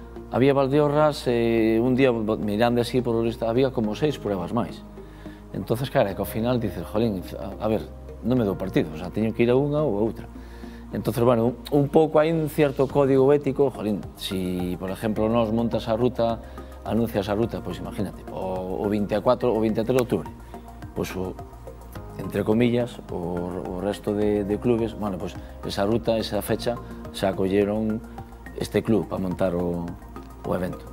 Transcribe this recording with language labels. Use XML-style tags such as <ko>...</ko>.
<es>Había Valdeorras, un día mirando así por la lista, había como 6 pruebas máis. Entonces, claro, que al final dices,</es> <gl>jolín, a ver, no me do partido, teño que ir a unha ou a outra.</gl> <es>Entonces, un pouco hai un cierto código ético,</es> <gl>jolín, si, por ejemplo, nos montas a ruta, anuncias a ruta, pues imagínate, o 24 o 23 de octubre, pues, entre comillas, o resto de clubes, pues, esa ruta, esa fecha, se acolleron este club para montar o evento.</gl>